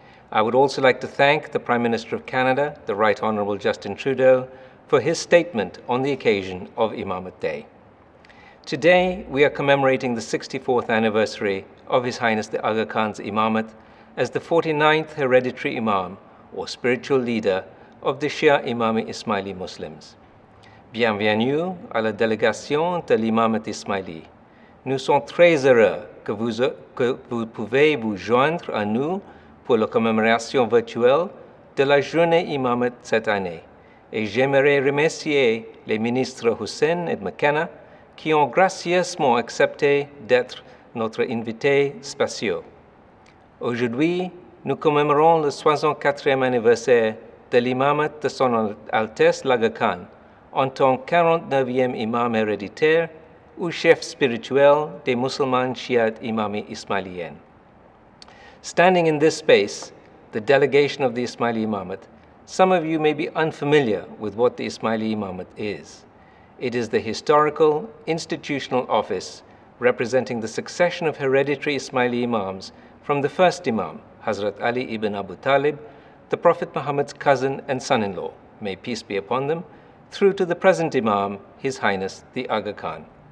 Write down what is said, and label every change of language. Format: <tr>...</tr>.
<en>I would also like to thank the Prime Minister of Canada, the Right Honourable Justin Trudeau, for his statement on the occasion of Imamat Day. Today, we are commemorating the 64th anniversary of His Highness the Aga Khan's Imamat as the 49th hereditary Imam, or spiritual leader, of the Shia Imami Ismaili Muslims.</en> <fr>Bienvenue à la délégation de l'Imamat Ismaili. Nous sommes très heureux que vous pouvez vous joindre à nous pour la commémoration virtuelle de la journée Imamat cette année. Et j'aimerais remercier les ministres Hussein et McKenna qui ont gracieusement accepté d'être notre invité spécial. Aujourd'hui, nous commémorons le 64e anniversaire de l'imamat de son Altesse l'Aga Khan en tant que 49e imam héréditaire ou chef spirituel des musulmans chiites imami ismaïliens.</fr> <en>Standing in this space, the delegation of the Ismaili Imamat, some of you may be unfamiliar with what the Ismaili Imamat is. It is the historical, institutional office representing the succession of hereditary Ismaili Imams from the first Imam, Hazrat Ali ibn Abu Talib, the Prophet Muhammad's cousin and son-in-law, may peace be upon them, through to the present Imam, His Highness the Aga Khan.</en>